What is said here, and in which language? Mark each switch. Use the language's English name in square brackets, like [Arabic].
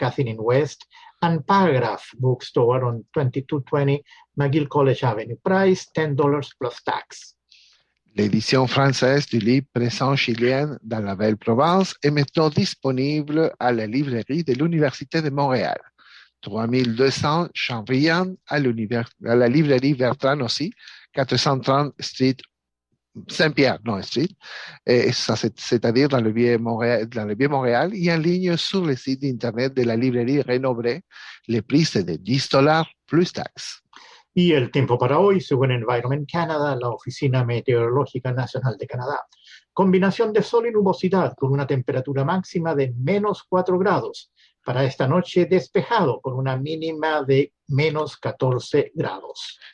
[English] Catherine West, and Paragraph Bookstore on 2220 McGill College Avenue. Price $10 plus tax. [French] L'édition française du livre Présent chilien dans la Belle Provence est maintenant disponible à la librairie de l'Université de Montréal. 3200 Chambrian à la librairie Bertrand aussi, 430 Street Saint-Pierre, non Street, et ça, c'est-à-dire dans le vieux Montréal, et en ligne sur le site internet de la librairie Renobré. Le prix est de $10 plus taxes. [Spanish] Y el tiempo para hoy, según Environment Canada, la Oficina Meteorológica Nacional de Canadá. Combinación de sol y nubosidad con una temperatura máxima de menos 4 grados. Para esta noche, despejado con una mínima de menos 14 grados.